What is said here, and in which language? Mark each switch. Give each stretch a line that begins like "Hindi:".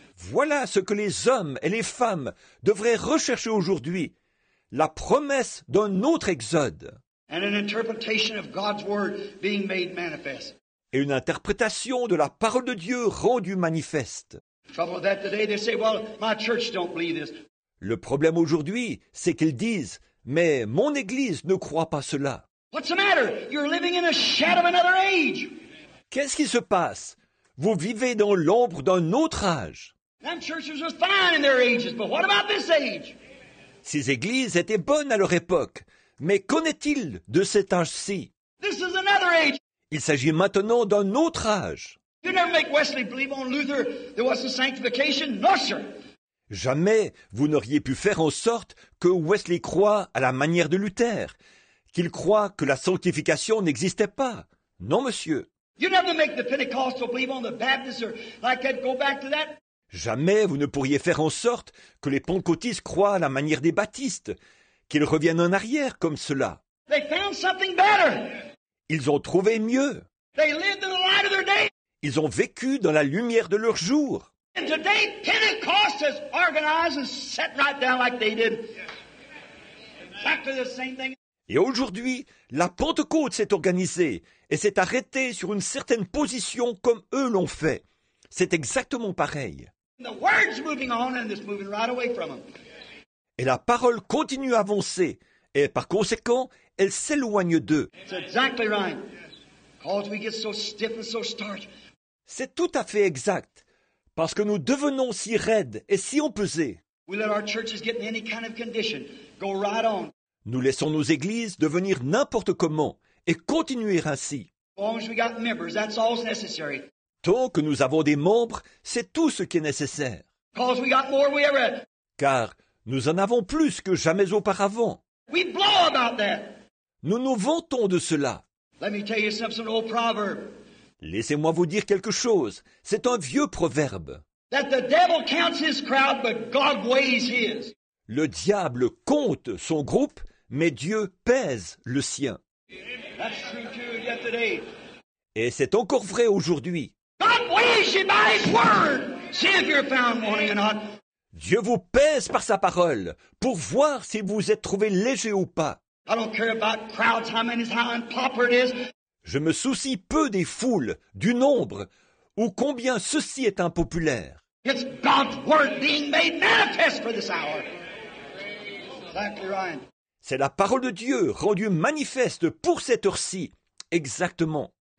French: Voilà ce que les hommes et les femmes devraient rechercher aujourd'hui. La promesse d'un autre exode.
English: And an interpretation of God's word being made manifest.
French: Et une interprétation de la parole de Dieu rendue manifeste.
English: Trouble that today they say, well, my church don't believe this.
French: Le problème aujourd'hui, c'est qu'ils disent, mais mon Église ne croit pas cela.
English: What's the matter? You're living in a shadow of another age.
French: Qu'est-ce qui se passe? Vous vivez dans l'ombre d'un autre âge.
English: Them churches were fine in their ages, but what about this age?
French: Ces églises étaient bonnes à leur époque, mais qu'en est-il de cet âge-ci?
English: This is another age.
French: Il s'agit maintenant d'un autre âge.
English: You never make Wesley believe on Luther there wasn't sanctification, no sir.
French: Jamais vous n'auriez pu faire en sorte que Wesley croit à la manière de Luther, qu'il croit que la sanctification n'existait pas. Non, monsieur.
English: You never make the Pentecostal believe on the Baptist or like that, go back to that.
French: Jamais vous ne pourriez faire en sorte que les Pentecôtistes croient à la manière des Baptistes, qu'ils reviennent en arrière comme cela.
English: They found something better.
French: Ils ont trouvé mieux.
English: They lived in the light of their day.
French: Ils ont vécu dans la lumière de leur jour.
English: And today, Pentecost is organized and set right down like they did. Back to the same thing.
French: Et aujourd'hui, la Pentecôte s'est organisée et s'est arrêtée sur une certaine position comme eux l'ont fait. C'est exactement pareil.
English: The word's moving on and it's moving right away from them.
French: Et la parole continue à avancer et par conséquent, elle s'éloigne d'eux.
English: It's exactly right. Cause we get so stiff and so starch.
French: C'est tout à fait exact. Parce que nous devenons si raides et si empesés.
English: We let our churches get in any kind of condition. Go right on.
French: Nous laissons nos églises devenir n'importe comment et continuer ainsi.
English: As long as we got members, that's all necessary.
French: Tant que nous avons des membres, c'est tout ce qui est nécessaire.
English: Cause we got more than we ever.
French: Car nous en avons plus que jamais auparavant.
English: We blow about that.
French: Nous nous vantons de cela.
English: Let me tell you something, old proverb.
French: Laissez-moi vous dire quelque chose. C'est un vieux proverbe.
English: That the devil counts his crowd, but God weighs his.
French: Le diable compte son groupe, mais Dieu pèse le sien.
English: That's true too yet today.
French: Et c'est encore vrai aujourd'hui.
English: God weighs you by his word. See if you're found wanting or not.
French: Dieu vous pèse par sa parole pour voir si vous êtes trouvé léger ou pas.
English: I don't care about crowds, how many, how unpopular it is.
French: Je me soucie peu des foules, du nombre, ou combien ceci est impopulaire.
English: It's God's word being made manifest for this hour.
French: C'est la parole de Dieu rendue manifeste pour cette heure-ci, exactement.